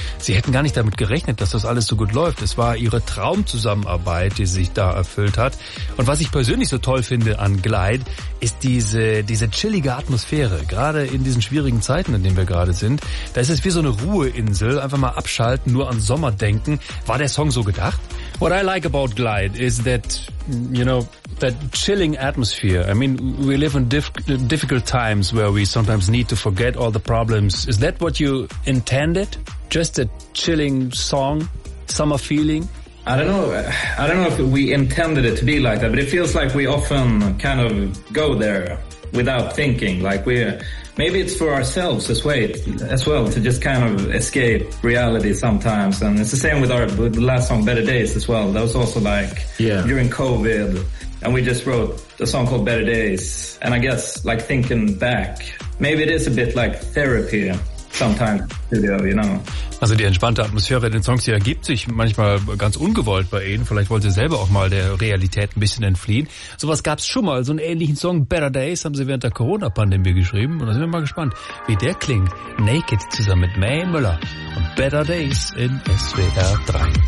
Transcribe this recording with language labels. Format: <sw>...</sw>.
<de>Sie hätten gar nicht damit gerechnet, dass das alles so gut läuft. Es war ihre Traumzusammenarbeit, die sich da erfüllt hat. Und was ich persönlich so toll finde an Glide, ist diese chillige Atmosphäre. Gerade in diesen schwierigen Zeiten, in denen wir gerade sind, da ist es wie so eine Ruheinsel. Einfach mal abschalten, nur an Sommer denken. War der Song so gedacht?</de> <en>What I like about Glide is that, you know, that chilling atmosphere. I mean, we live in difficult times where we sometimes need to forget all the problems. Is that what you intended? Just a chilling song, summer feeling? I don't know if we intended it to be like that, but it feels like we often kind of go there without thinking. Like maybe it's for ourselves as well to just kind of escape reality sometimes. And it's the same with the last song, Better Days, as well. That was also like during COVID. And we just wrote a song called Better Days. And I guess, like, thinking back, maybe it is a bit like therapy sometimes, you know.</en> <de>Also die entspannte Atmosphäre in den Songs, die ergibt sich manchmal ganz ungewollt bei Ihnen. Vielleicht wollen Sie selber auch mal der Realität ein bisschen entfliehen. Sowas gab es schon mal, so einen ähnlichen Song, Better Days, haben Sie während der Corona-Pandemie geschrieben. Und da sind wir mal gespannt, wie der klingt. Naked zusammen mit May Müller und Better Days in SWR 3.</de>